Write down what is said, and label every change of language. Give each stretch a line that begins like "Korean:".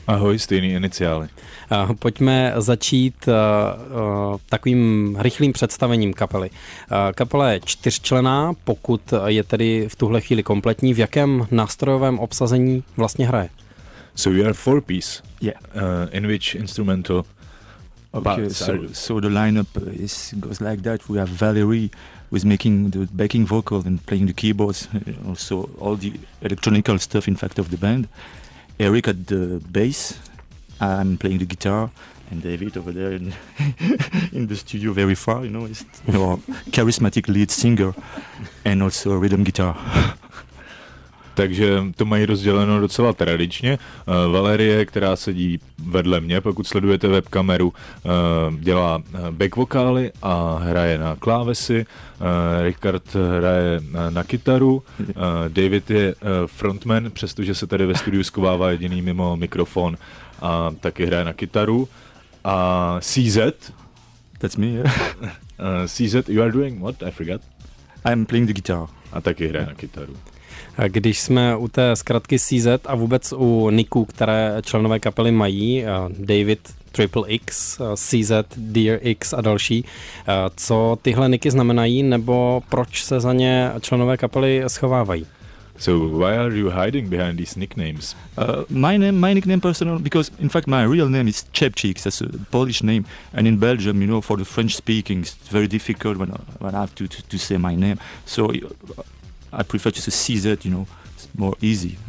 Czech: Ahoj, stejný iniciály. Pojďme začít takovým rychlým představením kapely. Kapela je čtyřčlenná, pokud je tedy v tuhle chvíli kompletní. V jakém nástrojovém obsazení vlastně hraje?
English: So we are four piece. Yeah. In which instrumental? Okay, so the lineup is goes like that. We have Valerie with making the backing vocal and playing the keyboards, also all the electronical stuff in fact of the band. Eric at the bass, I'm playing the guitar, and David over there in the studio very far, you know, is our charismatic lead singer and also a rhythm guitar.
Czech: Takže to mají rozděleno docela tradičně. Valerie, která sedí vedle mě, pokud sledujete webkameru, dělá back vokály a hraje na klávesy. Richard hraje na kytaru. David je frontman, přestože se tady ve studiu schovává jediný mimo mikrofon a taky hraje na kytaru. A CZ.
English: That's me, yeah. CZ, you are doing what? I forgot. I'm playing the guitar.
Czech: A taky hraje na kytaru. Když jsme u té zkratky CZ a vůbec u niků, které členové kapely mají, David Triple X, CZ, Dear X a další, co tyhle niky znamenají nebo proč se za ně členové kapely schovávají?
English: So why are you hiding behind these nicknames? My nickname personal, because in fact my real name is Chepchik, that's a Polish name, and in Belgium, you know, for the French speaking, it's very difficult when I have to say my name. So I prefer just a CZ, you know, it's more easy.